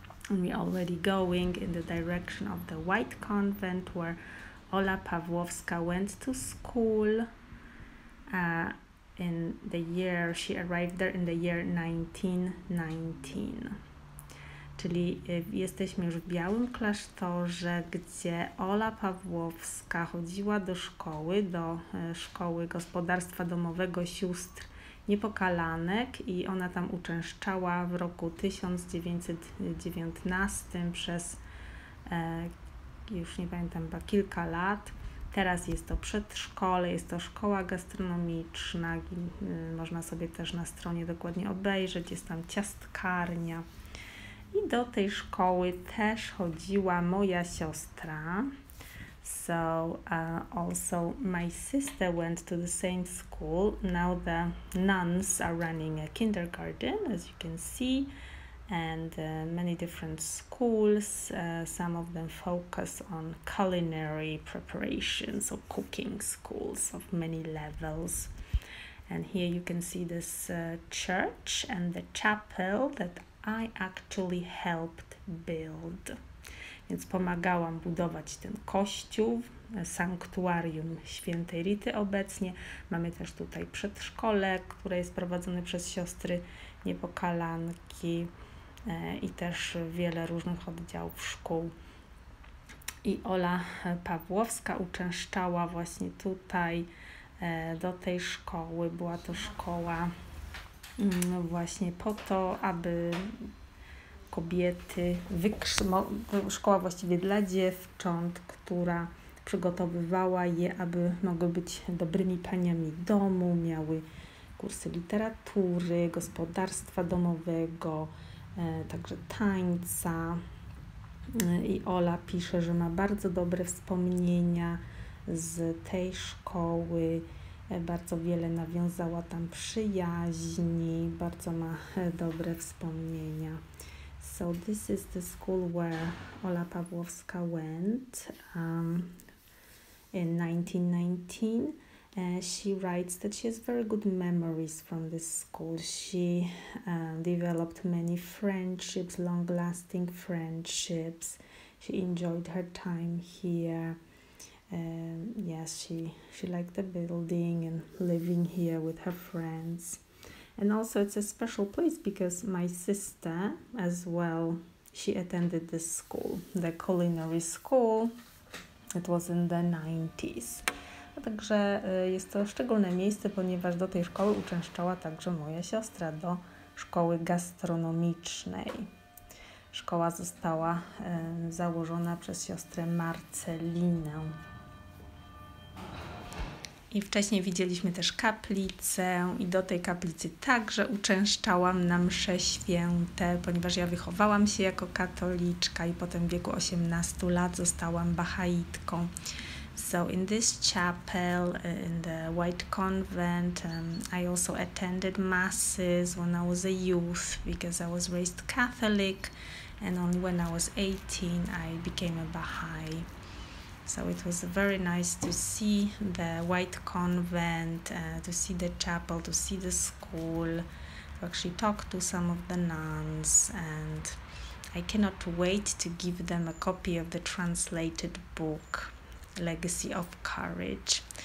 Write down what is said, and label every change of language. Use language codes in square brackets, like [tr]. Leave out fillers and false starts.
[en] And we're already going in the direction of the White Convent where Ola Pawłowska went to school in the year, she arrived there in the year 1919. [pl] Czyli jesteśmy już w białym klasztorze, gdzie Ola Pawłowska chodziła do szkoły gospodarstwa domowego sióstr Niepokalanek i ona tam uczęszczała w roku 1919 przez już nie pamiętam, chyba kilka lat. Teraz jest to przedszkole, jest to szkoła gastronomiczna, można sobie też na stronie dokładnie obejrzeć, jest tam ciastkarnia. I do tej szkoły też chodziła moja siostra. [en] So also my sister went to the same school. Now the nuns are running a kindergarten, as you can see, and many different schools. Some of them focus on culinary preparations or cooking schools of many levels. And here you can see this church and the chapel that I actually helped build. [pl] Więc pomagałam budować ten kościół, sanktuarium świętej Rity obecnie. Mamy też tutaj przedszkole, które jest prowadzone przez siostry Niepokalanki i też wiele różnych oddziałów szkół. I Ola Pawłowska uczęszczała właśnie tutaj do tej szkoły. Była to szkoła właśnie po to, aby kobiety, szkoła właściwie dla dziewcząt, która przygotowywała je, aby mogły być dobrymi paniami domu, miały kursy literatury, gospodarstwa domowego, także tańca. I Ola pisze, że ma bardzo dobre wspomnienia z tej szkoły, bardzo wiele nawiązała tam przyjaźni, bardzo ma dobre wspomnienia. [en] So this is the school where Ola Pawłowska went in 1919. She writes that she has very good memories from this school. She developed many friendships, long-lasting friendships. She enjoyed her time here. Yes, she liked the building and living here with her friends. And also it's a special place because my sister as well, she attended this school, the culinary school. It was in the 90s. [pl] Także jest to szczególne miejsce, ponieważ do tej szkoły uczęszczała także moja siostra, do szkoły gastronomicznej. Szkoła została założona przez siostrę Marcelinę. I wcześniej widzieliśmy też kaplicę i do tej kaplicy także uczęszczałam na msze święte, ponieważ ja wychowałam się jako katoliczka i potem w wieku 18 lat zostałam bahaitką. [en] So in this chapel, in the White Convent, I also attended masses when I was a youth because I was raised Catholic and only when I was 18 I became a Baha'i. So it was very nice to see the White Convent, to see the chapel, to see the school, to actually talk to some of the nuns, and I cannot wait to give them a copy of the translated book, Legacy of Courage.